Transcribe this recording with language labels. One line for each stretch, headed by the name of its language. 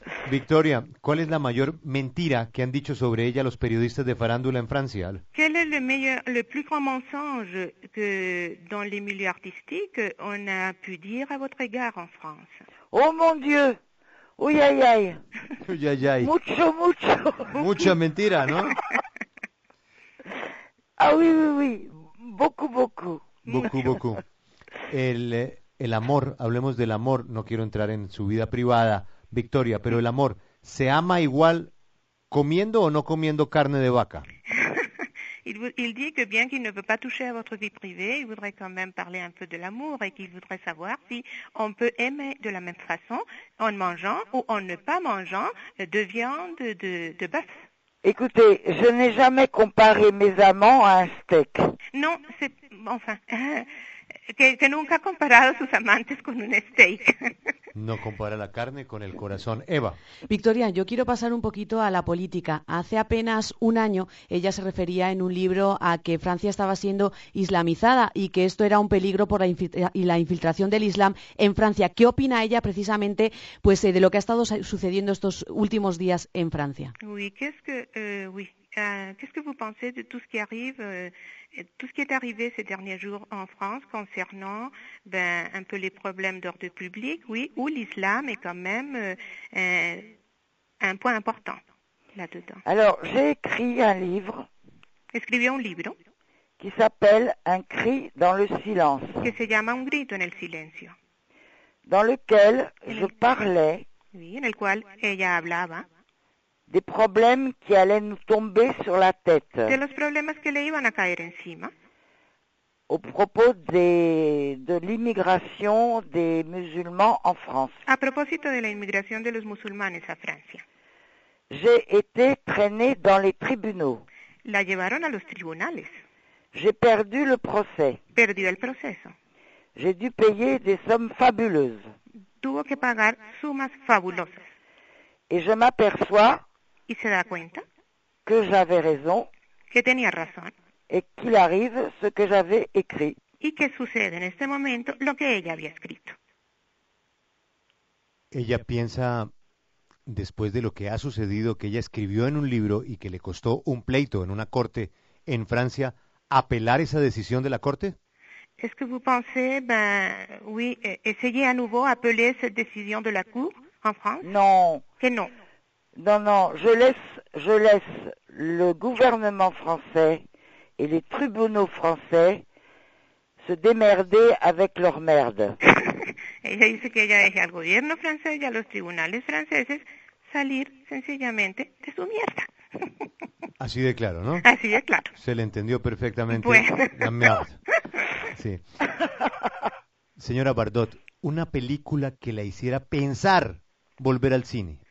Spanish: Victoria, ¿cuál es la mayor mentira que han dicho sobre ella los periodistas de farándula en Francia?
French: Quel est le plus grand mensonge que dans les milieux artistiques on a pu dire à votre égard en France? Oh mon Dieu! Uy, ay, ay. Uy, ay, ay.
Spanish: Mucho, mucho. Mucha mentira, ¿no?
French: Ah, oui. Beaucoup, Beaucoup, beaucoup.
Spanish: El amor, hablemos del amor, no quiero entrar en su vida privada, Victoria, pero el amor, ¿se ama igual comiendo o no comiendo carne de vaca?
French: Il dit que bien qu'il ne veut pas toucher à votre vie privée, il voudrait quand même parler un peu de l'amour et qu'il voudrait savoir si on peut aimer de la même façon en mangeant ou en ne pas mangeant de viande de bœuf. Écoutez, je n'ai jamais comparé mes amants à un steak. Non, c'est... Enfin,
Spanish: que nunca ha comparado sus amantes con un steak. No compara la carne con el corazón, Eva. Victoria, yo quiero pasar un poquito a la política. Hace apenas un año, ella se refería en un libro a que Francia estaba siendo islamizada y que esto era un peligro por la infiltración del Islam en Francia. ¿Qué opina ella precisamente, pues, de lo que ha estado sucediendo estos últimos días en Francia?
French: Qu'est-ce que vous pensez de tout ce qui arrive, tout ce qui est arrivé ces derniers jours en France concernant ben, un peu les problèmes d'ordre public, oui, où l'islam est quand même un point important là-dedans. Alors, j'ai écrit un livre.
Spanish: Escribió un libro.
French: Qui s'appelle Un cri dans le silence.
Spanish: Que se llama Un grito en el silencio.
French: Dans lequel je parlais.
Spanish: Oui, en el cual ella hablaba.
French: Des problèmes qui allaient nous tomber sur la tête.
Spanish: De los problemas que le iban a caer encima.
French: Au propos de l'immigration des musulmans en France.
Spanish: A propósito de la inmigración de los musulmanes a Francia.
French: J'ai été traînée dans les tribunaux.
Spanish: La llevaron a los tribunales.
French: J'ai perdu le procès.
Spanish: Perdió el proceso.
French: J'ai dû payer des sommes fabuleuses.
Spanish: Tuvo que pagar sumas fabulosas.
French: Et je m'aperçois
Spanish: y se da cuenta
French: que j'avais raison,
Spanish: que tenía razón,
French: et qu'il arrive ce que j'avais écrit.
Spanish: Y que sucede en este momento lo que ella había escrito. Ella piensa, después de lo que ha sucedido, que ella escribió en un libro y que le costó un pleito en una corte en Francia, apelar esa decisión de la corte.
French: ¿Es que vous pensez, ben, oui, essayer à nouveau appeler cette décision de la cour en France? Non.
Spanish: Que non.
French: Non, non, je laisse le gouvernement français et les tribunaux français se démerder avec leur merde.
Spanish: Ella dice que ella deje al gobierno francés y a los tribunales franceses salir sencillamente de su mierda. Así de claro, ¿no? Así de claro. Se le entendió perfectamente. Bueno. Sí. Señora Bardot, una película que la hiciera pensar volver al cine.